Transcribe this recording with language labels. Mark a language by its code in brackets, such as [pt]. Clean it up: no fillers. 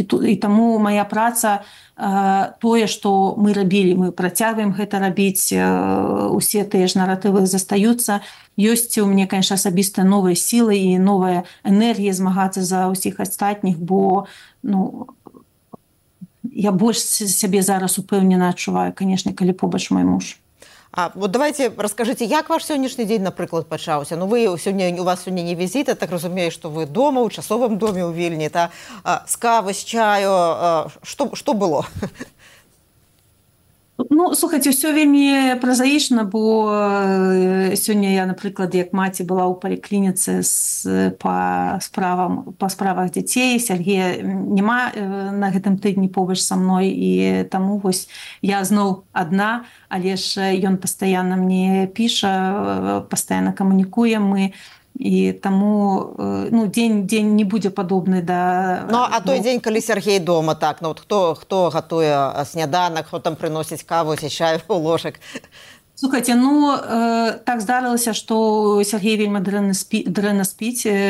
[be] І таму моя праца тое, што мы рабілі, мы працягваем гэта рабіць, усе тыя ж наратывы застаюцца. Ёсць у мяне, канешне, асабіста новыя сілы і новая энергія змагацца за ўсіх астатніх, бо ну, я больш сябе зараз упэўнена адчуваю, канешне, калі побач мой муж. [uk] А вот давайте расскажите, як ваш сьогоднішній день, наприклад, почався? Ну, ви сьогодні, у вас сьогодні не візит, я так розумію, що ви вдома, у часовому домі у Вільні, та з кави, з чаю, що було? [ru] Ну, [uk] слухайте, все вельми [ru] прозаично, бо сегодня я, например, как мать была у поликлиницы [uk] по справах [ru] детей. Сергея нема на этом [be] тыдні побач [ru] со мной, и тому вот я знов одна, а лишь он постоянно мне пишет, постоянно коммуникуем мы. [be] І таму ну, дзень не будзе падобны да. Ну, а той дзень, калі Сергей дома, так, ну, хто гатуе сняданак, хто там прыносіць каву ці чай у ложак? Слухайте, ну, так здарылася, што Сергей вельмі дрэнна спіць.